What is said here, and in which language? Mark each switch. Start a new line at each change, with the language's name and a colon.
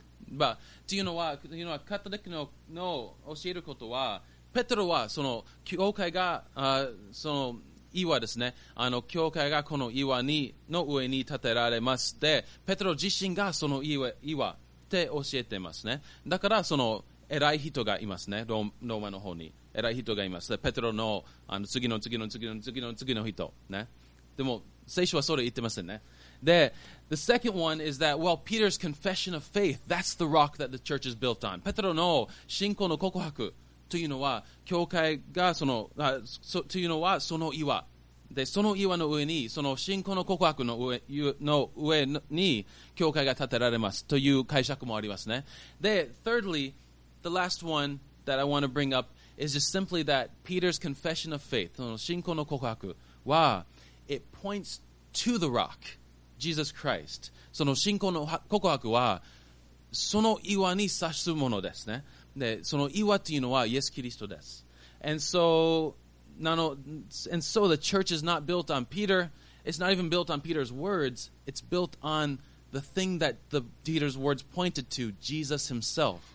Japanese: まあ、というのはカトリック の教えることはペテロはその教会がその岩ですね、あの教会がこの岩にの上に建てられまして、ペテロ自身がその岩って教えてますね。だからその偉い人がいますね、ローマの方に偉い人がいます。でペテロ の次の次の次の次の次の人ね。でも聖書はそれ言ってませんね。
English: The second one is that, well, Peter's confession of faith, that's the rock that the church is built on.
Japanese: ペテロの信仰の告白というのは、教会がその、というのはその岩。で、その岩の上に、その信仰の告白の上に、教会が建てられますという解釈もありますね。で、
English: thirdly, the last one that I want to bring up is just simply that Peter's confession of faith,
Japanese: その信仰の告白は、
English: it points to the rock, Jesus Christ.
Japanese: その信仰の告白は、その岩に指すものですね。で、その岩というのはイエス・キリストです。
English: And so, the church is not built on Peter. It's not even built on Peter's words. It's built on the thing that Peter's words pointed to, Jesus himself.